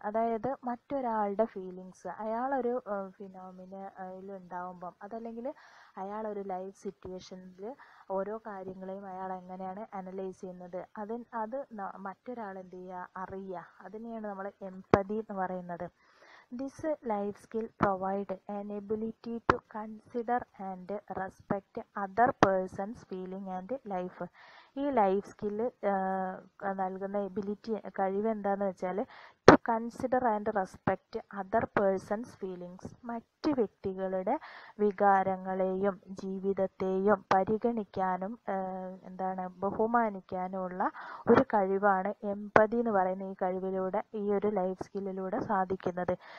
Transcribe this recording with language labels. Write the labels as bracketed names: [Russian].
[Malayalam] അതായത് മറ്റൊരാളുടെ ഫീലിങ്സ്, അയാളൊരു ഫിനോമിനയിലുണ്ടാവുമ്പം, അതല്ലെങ്കിൽ അയാളൊരു ലൈഫ് സിറ്റുവേഷനിൽ ഓരോ കാര്യങ്ങളെയും അയാൾ എങ്ങനെയാണ് അനലൈസ് ചെയ്യുന്നത്, അത് മറ്റൊരാൾ എന്ത് ചെയ്യുക, അറിയുക. അതിനെയാണ് നമ്മൾ എംപതി എന്ന് പറയുന്നത്. [English] This life skill provide an ability to consider and respect other person's feeling and life. [Malayalam] ഈ ലൈഫ് സ്കില്ല് നൽകുന്ന എബിലിറ്റി, കഴിവ് എന്താണെന്ന് വെച്ചാൽ, [English] to consider and respect other persons feelings, [Malayalam] മറ്റ് വ്യക്തികളുടെ വികാരങ്ങളെയും ജീവിതത്തെയും പരിഗണിക്കാനും എന്താണ് ബഹുമാനിക്കാനുമുള്ള ഒരു കഴിവാണ് എംപതി എന്ന് പറയുന്ന ഈ കഴിവിലൂടെ, ഈ ഒരു ലൈഫ് സ്കില്ലിലൂടെ സാധിക്കുന്നത്.